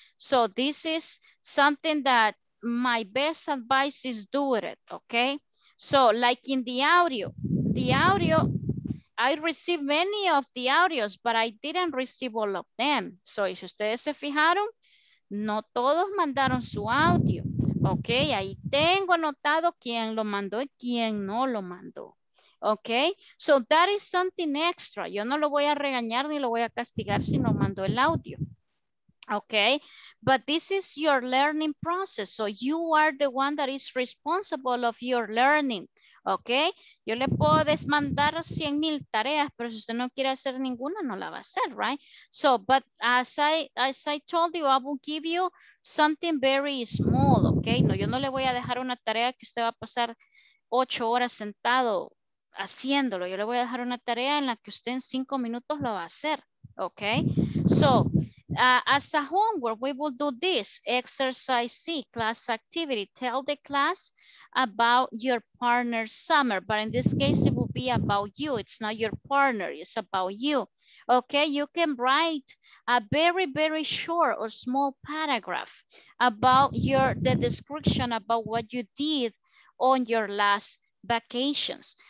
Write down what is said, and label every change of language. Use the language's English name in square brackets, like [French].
[English] So this is something that my best advice is do it, okay? So like in the audio, I received many of the audios, but I didn't receive all of them. [Spanish] So, si ustedes se fijaron, no todos mandaron su audio. Ok, ahí tengo anotado quién lo mandó y quién no lo mandó. [English] Ok, so that is something extra. [Spanish] Yo no lo voy a regañar ni lo voy a castigar si no mandó el audio. [English] Ok, but this is your learning process. So, you are the one that is responsible of your learning. [Spanish] Ok, yo le puedo desmandar 100,000 tareas, pero si usted no quiere hacer ninguna, no la va a hacer, right? [English] So, but as I told you, I will give you something very small, ok? [Spanish] No, yo no le voy a dejar una tarea que usted va a pasar 8 horas sentado haciéndolo. Yo le voy a dejar una tarea en la que usted en 5 minutos lo va a hacer, ok? [English] So, as a homework, we will do this, exercise C, class activity, tell the class about your partner's summer, but in this case, it will be about you. It's not your partner, it's about you. Okay, you can write a very, very short or small paragraph about your the description about what you did on your last vacations.